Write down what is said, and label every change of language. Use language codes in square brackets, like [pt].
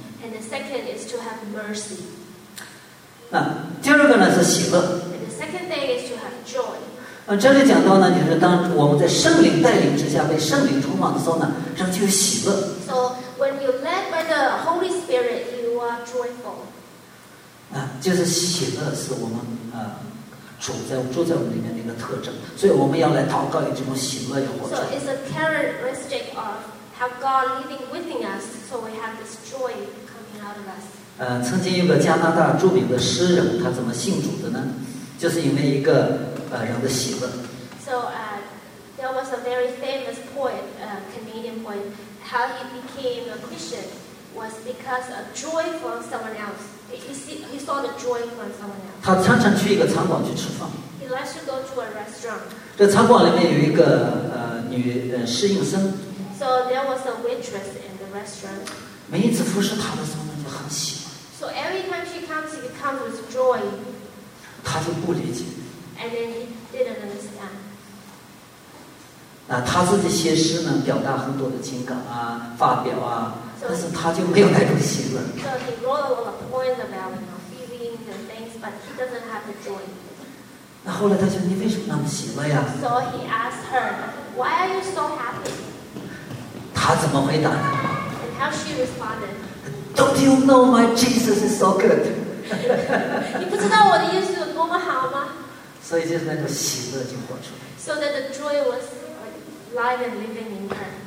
[en] And the second is to have mercy. [zh] 那第二个呢是喜乐。 [en] And the second thing is to have joy. [zh] 这里讲到呢，就是当我们在圣灵带领之下被圣灵充满的时候呢，这就是喜乐。 [en] So when you led by the Holy Spirit, you are joyful. [zh] 就是喜乐是我们主在住在我们里面的一个特征，所以我们要来祷告，以这种喜乐要活出 [en] 来。So it's a characteristic of how God living within us, so we have this joy coming out of us. [zh] 曾经有个加拿大著名的诗人，他怎么信主的呢？就是因为一个人的喜乐。 [en] So there was a very famous poet, Canadian poet. How he became a Christian was because of joy from someone else. He saw the joy from someone else. [zh] 他常常去一个餐馆去吃饭。 [en] He likes to go to a restaurant. [zh] 这餐馆里面有一个女侍应生。 [en] So there was a waitress in the restaurant. [zh] 每一次服侍她的时候，就很喜欢。 [en] So every time she comes, he comes with joy. [zh] 他就不理解。 [en] And then he didn't understand. [zh] 他自己写诗呢，表达很多的情感啊，发表啊。但是他就没有那种喜乐。 [en] So he wrote a lot of poems about, you know, feelings and things, but he doesn't have the joy. [zh] 那后来他说：“你为什么那么喜乐呀？” [en] So he asked her, "Why are you so happy?" [zh] 他怎么回答呢？ [en] And how she responded? Don't you know my Jesus is so good? [zh] 你不知道我的耶稣有多么好吗？所以就是那种喜乐就活出来。 [en] So that the joy was alive and living in her.